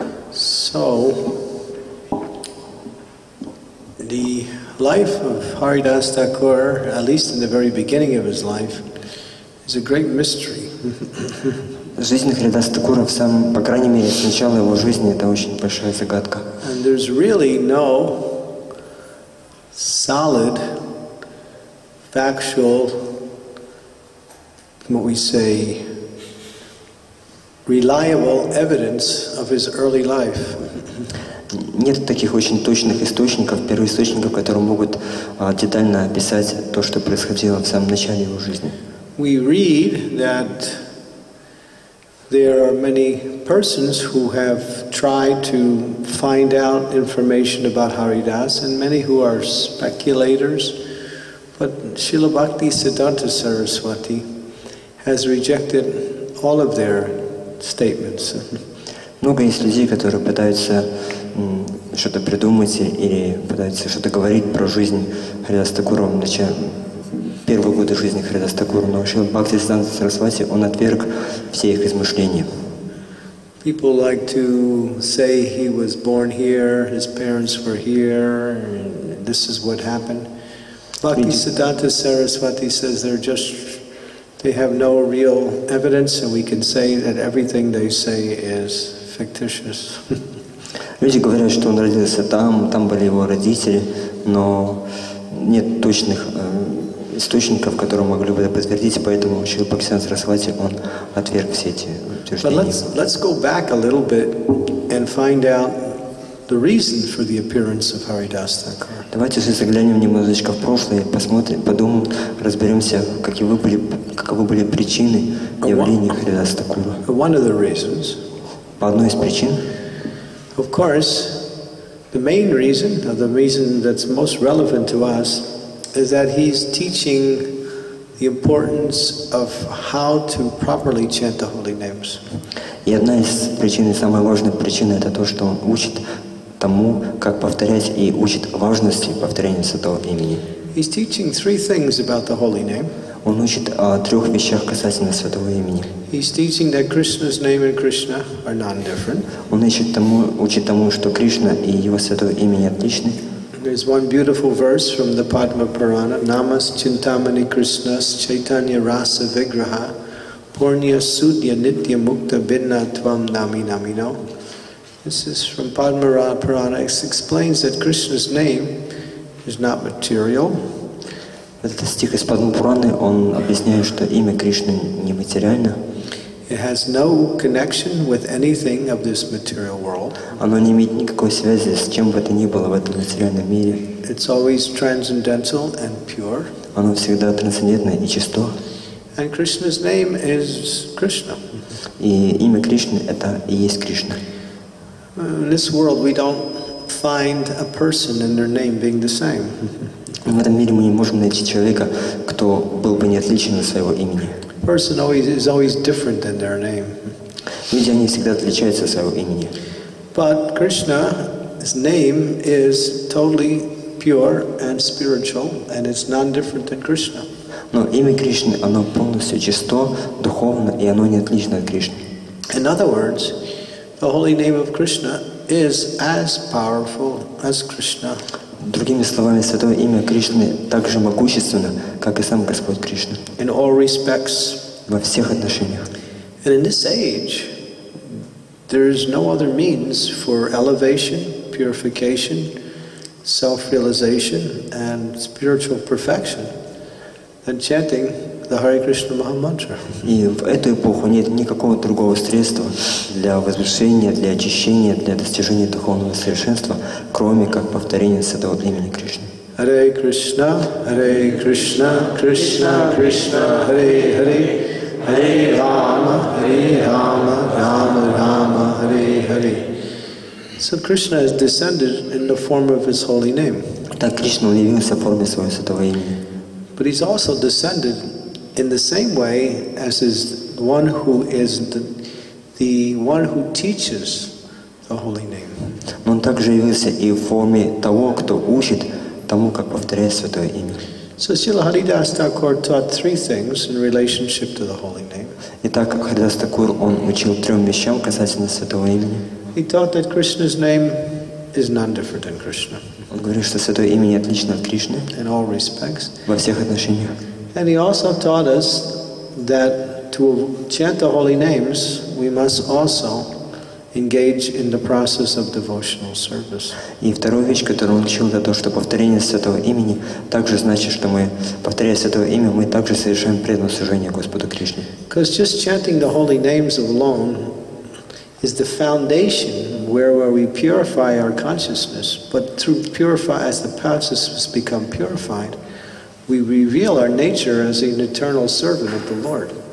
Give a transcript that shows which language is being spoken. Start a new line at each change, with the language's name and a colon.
English: So, the life of Haridas Thakur, at least in the very beginning of his life, is a great mystery.
Russian: Жизнь Харидаса Такура, по крайней мере, с начала его жизни, это очень большая загадка.
English: And there's really no solid, factual, what we say, reliable evidence of his early life.
Russian: Нет таких очень точных источников, первоисточников, которые могут детально описать то, что происходило в самом начале его жизни.
English: We read that there are many persons who have tried to find out information about Haridas, and many who are speculators. But Srila Bhakti Siddhanta Saraswati has rejected all of their statements.
Russian: Много есть людей, которые пытаются что-то придумать или пытаются что-то говорить про жизнь Харидаса Такура, первые годы жизни Харидаса Такура, но вообще Бхакти Сиддханта Сарасвати, он отверг все их измышления.
English: People like to say he was born here, his parents were here, and this is what happened. Bhakti Siddhanta Sarasvati says they have no real evidence, and we can say that everything they say is fictitious.
Russian: Люди говорят, что он родился там, там были его родители, но нет точных источников, которые могли бы это подтвердить, поэтому Шрила Бхакти Сиддханта Сарасвати, он отверг все эти утверждения.
English: Let's go back a little bit and find out the reason for the appearance of Haridas Thakur.
Russian: Давайте же заглянем немножечко в прошлое, посмотрим, подумаем, разберемся, каковы были причины явления Харидаса Такура.
English: One of the reasons.
Russian: По одной из причин.
English: Of course, the main reason, or the reason that's most relevant to us, is that he's teaching the importance of how to properly chant the holy names.
Russian: И одна из причин, самая важная причина, это то, что он учит тому, как повторять, и учит важности повторения святого имени.
English: He's teaching three things about the holy name.
Russian: Он учит о трех вещах касательно святого имени.
English: He's teaching that Krishna's name and Krishna are non-different.
Russian: Он учит тому, что Кришна и его святое имя отличны.
English: There's one beautiful verse from the Padma Purana,
Sanskrit: Namas Chintamani Krishna Chaitanya Rasa Vigraha Purnya Sudya Nitya Mukta Vidna Tvam Nami Namino.
English: This is from Padma Purana. It explains that Krishna's name is not material,
Russian: Этот стих из Падмапураны, он объясняет, что имя Кришны нематериально.
English: It has no connection with anything of this material world.
Russian: Оно не имеет никакой связи с чем бы то ни было в этом материальном мире.
English: It's always transcendental and pure.
Russian: Оно всегда трансцендентное и чисто.
English: And Krishna's name is Krishna.
Russian: И имя Кришны — это и есть Кришна.
English: In this world, we don't find a person and their name being the same.
Russian: В этом мире мы не можем найти человека, кто был бы не отличен от своего имени.
English: Person always is always different than their name.
Russian: Люди, они всегда отличаются от своего имени.
English: But Krishna's name is totally pure and spiritual, and it's none different than Krishna.
Russian: Но имя Кришны, оно полностью чисто, духовно, и оно не отлично от Кришны.
English: In other words, the holy name of Krishna is as powerful as Krishna.
Russian: Другими словами, святое имя Кришны так же могущественно, как и сам Господь Кришна.
English: In all respects.
Russian: Во всех отношениях.
English: And in this age, there is no other means for elevation, purification, self-realization, and spiritual perfection. And chanting the Hare Krishna Maha Mantra.
Russian: И в эту эпоху нет никакого другого средства для возвышения, для очищения, для достижения духовного совершенства, кроме как повторения святого имени Кришны.
Sanskrit: Hare Krishna, Hare Krishna, Krishna Krishna, Hare Hare, Hare Rama, Hare Rama, Rama Rama, Hare Hare.
English: So Krishna has descended in the form of his holy name.
Russian: Так Кришна явился в форме своего святого имени.
English: But he's also descended in the same way as is one who is the one who teaches the holy name.
Russian: Он также явился и в форме того, кто учит тому, как повторяет святое имя.
English: So Śrīla Haridāsa Thakura taught three things in relationship to the holy name.
Russian: Итак, Харидас Такур, он учил трем вещам касательно святого имени.
English: He taught that Krishna's name is none different than Krishna.
Russian: Он говорит, что святое имя не отлично от Кришны.
English: In all respects.
Russian: Во всех отношениях.
English: And he also taught us that to chant the holy names, we must also engage in the process of devotional service.
Russian: И вторая вещь, которую он учил, это то, что повторение святого имени также значит, что мы, повторяя святое имя, мы также совершаем преданное служение Господу Кришне.
English: Because just chanting the holy names alone is the foundation where we purify our consciousness, but through purify, as the consciousness become purified, we reveal our nature as an eternal servant of the Lord.